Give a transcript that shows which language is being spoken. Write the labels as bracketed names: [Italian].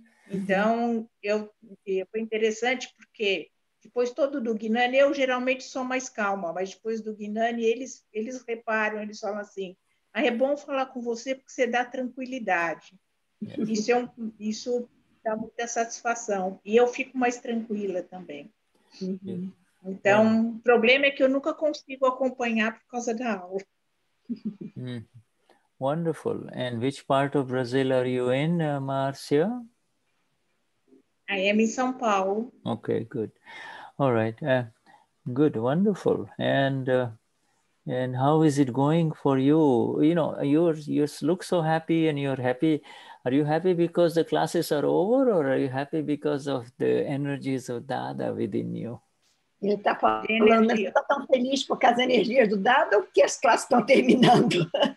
[Portuguese] Então, foi interessante porque depois todo do Gnani, eu geralmente sou mais calma, mas depois do Gnani, eles reparam, eles falam assim, é bom falar com você porque você dá tranquilidade. Isso dá muita satisfação. E eu fico mais tranquila também. Então, o problema é que eu nunca consigo acompanhar por causa da aula. [English] Wonderful. And which part of Brazil are you in, Marcia? I am in São Paulo. Okay, good. All right. Good, wonderful. And how is it going for you? You know, you look so happy and you're happy. Are you happy because the classes are over, or are you happy because of the energies of Dada within you? [Portuguese] Ele está falando, eu estou tão feliz por causa da energia do Dada ou porque as classes estão terminando?